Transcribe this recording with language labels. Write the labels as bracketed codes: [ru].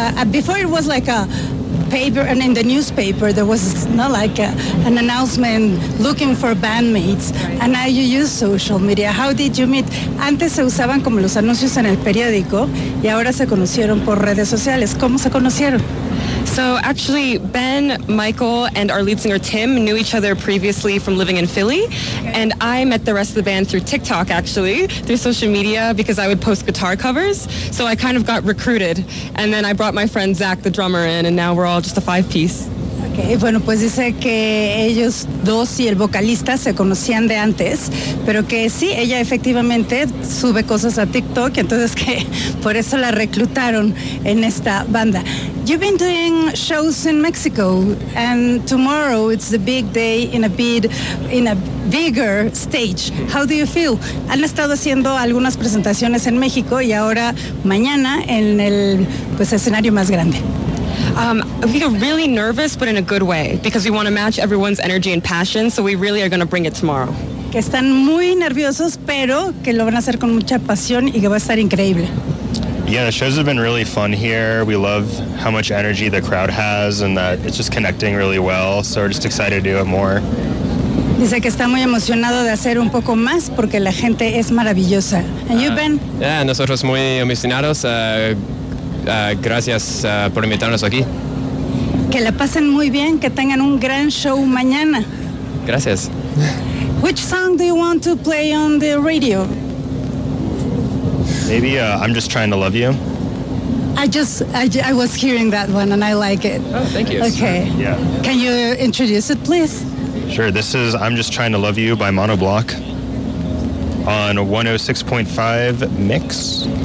[en] Before it was like a paper, and in the newspaper there was not like an announcement looking for bandmates, and now you use social media. How did you meet? [es] Antes se usaban como los anuncios en el periódico y ahora se conocieron por redes sociales. ¿Cómo se conocieron? [en] So actually, Ben, Michael, and our lead singer Tim knew each other previously from living in Philly, okay. And I met the rest of the band through TikTok, actually, through social media, because I would post guitar covers, so I kind of got recruited, and then I brought my friend Zach, the drummer, in, and now we're all just a five-piece. [es] Okay, bueno, pues dice que ellos dos y el vocalista se conocían de antes, pero que sí, ella efectivamente sube cosas a TikTok, entonces que por eso la reclutaron en esta banda. [en] You've been doing shows in Mexico, and tomorrow it's the big day in a bigger stage. How do you feel? [es] Han estado haciendo algunas presentaciones en México y ahora mañana en el pues escenario más grande. [en] We feel really nervous, but in a good way, because we want to match everyone's energy and passion, so we really are going to bring it tomorrow. [es] Que están muy nerviosos, pero que lo van a hacer con mucha pasión y que va a estar increíble. [en] Yeah, the shows have been really fun here. We love how much energy the crowd has and that it's just connecting really well, so we're just excited to do it more. [es] Dice que está muy emocionado de hacer un poco más porque la gente es maravillosa. [en] And you, Ben? [es] Yeah, nosotros muy emocionados. Gracias por invitarnos aquí. Que la pasen muy bien, que tengan un gran show mañana. Gracias. [en] Which song do you want to play on the radio? Maybe I'm just trying to love you. I was hearing that one and I like it. Oh, thank you. Okay. Yeah. Can you introduce it, please? Sure. This is I'm Just Trying to Love You by Monoblock on 106.5 Mix.